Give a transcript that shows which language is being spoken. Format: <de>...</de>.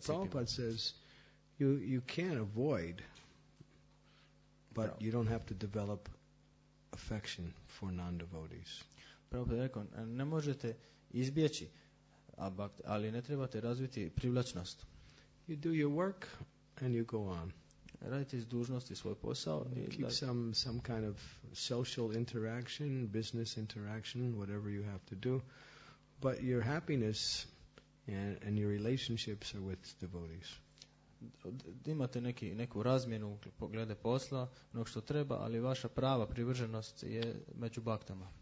<en>So Prabhupada says, you can't avoid, but you don't have to develop affection for non-devotees.</en> <hr>Prabhupada rekao, ne možete izbjeći abhakt, ali ne trebate razviti privlačnost.</hr> <en>You do your work and you go on.</en> <hr>Radite iz dužnosti svoj posao.</hr> <en>Keep some kind of social interaction, business interaction, whatever you have to do. But your happiness and your relationships are with devotees.</en> <hr>Imate neku razmjenu glede posla, onog što treba, ali vaša prava privrženost je među baktama.</hr>